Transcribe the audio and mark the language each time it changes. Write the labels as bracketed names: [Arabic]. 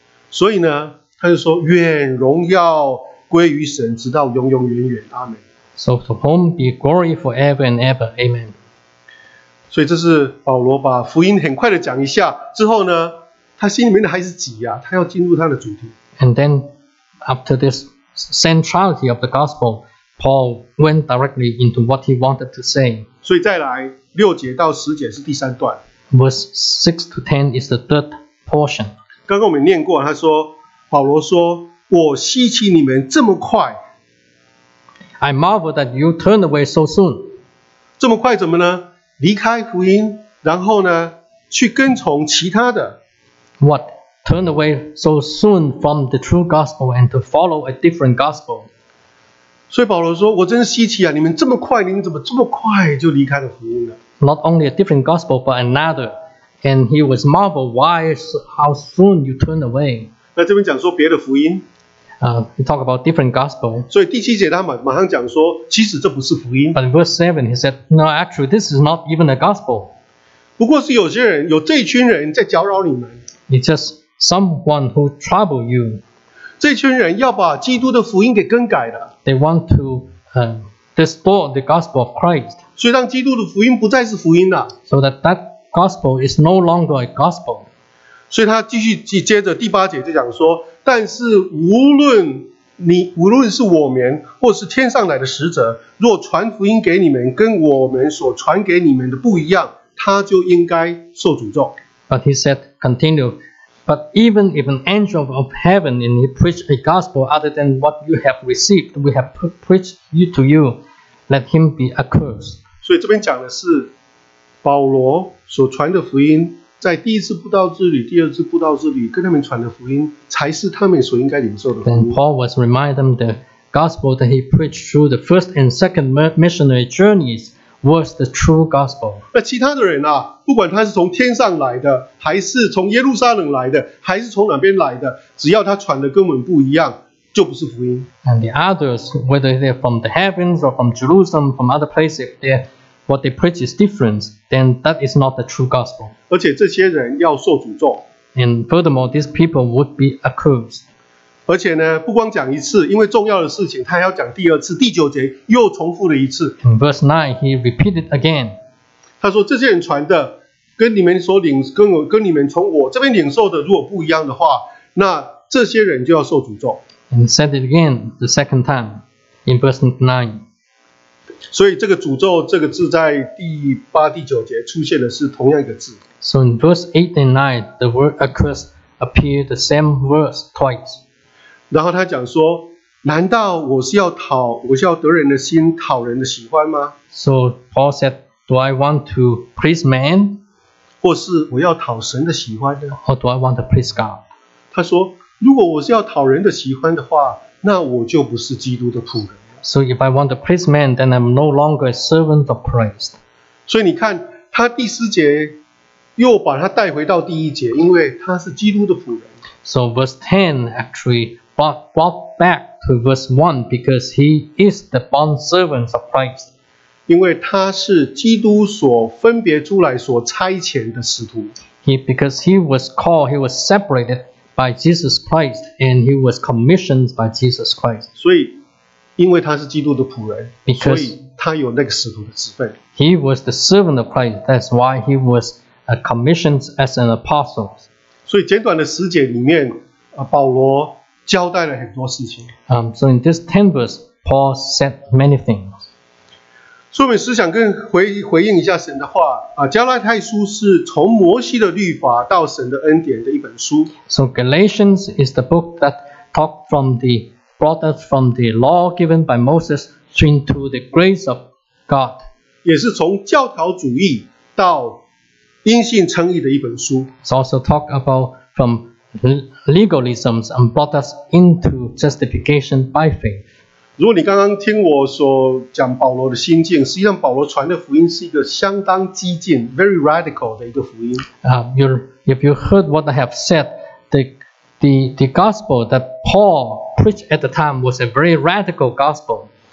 [Chinese] 所以呢，他就说：“愿荣耀归于神，直到永永远远。” 阿门。 [English] So to whom be glory forever and ever. Amen. [Chinese] 所以这是保罗把福音很快的讲一下之后呢，他心里面的还是急啊，他要进入他的主题。 [English] And then after this centrality of the gospel, Paul went directly into what he wanted to say. [Chinese] 所以再来六节到十节是第三段。 [English] Verse 6 to 10 is the third portion. [Chinese] 刚刚我们念过，他说，保罗说，我稀奇你们这么快。 [English] I marvel that you turn away so soon. [Chinese] 这么快怎么呢？离开福音，然后呢，去跟从其他的。 [English] What? Turn away so soon from the true gospel and to follow a different gospel. [Chinese] 所以保罗说，我真稀奇啊，你们这么快，你们怎么这么快就离开了福音呢？ [English] Not only a different gospel, but another. And he was marveled why, how soon you turn away. [Chinese] 那这边讲说别的福音。 [English] He talked about different gospel. [Chinese] 所以第七节他马上讲说，其实这不是福音。 [English] But in verse 7, he said, no, actually, this is not even a gospel. [Chinese] 不过是有些人，有这群人在搅扰你们。 [English] It's just someone who trouble you. [Chinese] 这群人要把基督的福音给更改了。 [English] They want to distort the gospel of Christ. [Chinese] 所以让基督的福音不再是福音了。 [English] So that gospel is no longer a gospel. [Chinese] 所以他继续接着第八节就讲说，但是无论是我们或是天上来的使者，若传福音给你们跟我们所传给你们的不一样，他就应该受诅咒。 [English] But he said, continue, but even if an angel of heaven and he preached a gospel other than what you have received, we have preached you to you, let him be accursed. [Chinese] 所以这边讲的是保罗所传的福音，在第一次布道之旅、第二次布道之旅跟他们传的福音，才是他们所应该领受的福音。 [English] Then Paul was reminding them the gospel that he preached through the first and second missionary journeys. Was the true gospel. [Chinese] 那其他的人啊，不管他是从天上来的，还是从耶路撒冷来的，还是从哪边来的，只要他传的跟我们不一样，就不是福音。 [English] And the others, whether they're from the heavens or from Jerusalem, from other places, if they're what they preach is different, then that is not the true gospel. [Chinese] 而且这些人要受诅咒。 [English] And furthermore, these people would be accursed. [Chinese] 而且呢，不光讲一次，因为重要的事情，他还要讲第二次。第九节又重复了一次。 [English] In verse 9, he repeated again. [Chinese] 他说：“这些人传的，跟你们所领，跟你们从我这边领受的，如果不一样的话，那这些人就要受诅咒。” [English] And said it again the second time in verse 9. [Chinese] 所以这个诅咒这个字在第八、第九节出现的是同样一个字。 [English] So in verse 8 and 9, the word accursed appeared the same verse twice. [Chinese] 然后他讲说，难道我是要讨，我是要得人的心，讨人的喜欢吗？ [English] So Paul said, do I want to please man? [Chinese] 或是我要讨神的喜欢呢？ [English] Or do I want to please God? [Chinese] 他说，如果我是要讨人的喜欢的话，那我就不是基督的仆人。 [English] So if I want to please man, then I'm no longer a servant of Christ. [Chinese] 所以你看，他第四节又把他带回到第一节，因为他是基督的仆人。 [English] So verse 10 actually brought back to verse 1 because he is the bondservant of Christ. [Chinese] 因为他是基督所分别出来所差遣的使徒。 [English] Because he was called, he was separated by Jesus Christ and he was commissioned by Jesus Christ. [Chinese] 所以因为他是基督的仆人，所以他有那个使徒的职分。 [English] He was the servant of Christ. That's why he was commissioned as an apostle. [Chinese] 所以简短的十节里面，保罗交代了很多事情。 [English] So in this 10 verse, Paul said many things. [Chinese] 说明思想跟回应一下神的话。加拉太书是从摩西的律法到神的恩典的一本书。 [English] So Galatians is the book that talked from the brought us from the law given by Moses into the grace of God. [Chinese] 也是从教条主义到因信称义的一本书。 [English] It's also talked about from legalism and brought us into justification by faith. [Chinese] 如果你刚刚听我所讲保罗的心境，实际上保罗传的福音是一个相当激进 [English] very radical [Chinese] 的一个福音。 [English] If you heard what I have said, the gospel that Paul preached at the time was a very radical gospel.